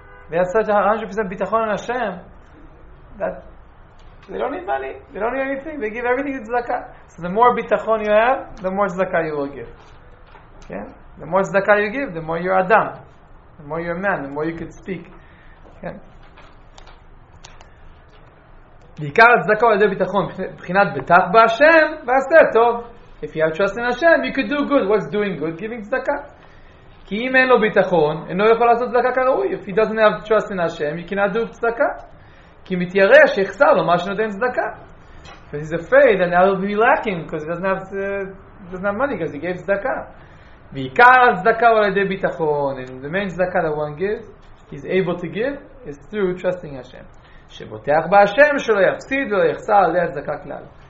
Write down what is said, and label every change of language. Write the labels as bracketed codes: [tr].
[en] They had such 100% bitachon in Hashem that they don't need money. They don't need anything. They give everything to tzedakah. So the more bitachon you have, the more tzedakah you will give. Okay? The more tzedakah you give, the more you're Adam. The more you're a man, the more you can speak. [he] בעיקר הצדקה על ידי ביטחון מבחינת בטח בהשם ועשה טוב. [en] If you have trust in Hashem, you could do good. What's doing good? Giving צדקה. [he] כי אם אין לו ביטחון, אינו יכול לעשות צדקה כראוי. [en] If he doesn't have trust in Hashem, you cannot do צדקה. [he] כי מתיירא שיחסר לו מה שנותן צדקה. [en] If he's afraid, then I'll be lacking because he doesn't have money because he gave צדקה. [he] בעיקר הצדקה על ידי ביטחון. [en] And the main צדקה that one gives, he's able to give, is through trusting Hashem. [he] שבוטח בהשם שלא יפסיד ולא יחסר על ידי הצדקה כלל.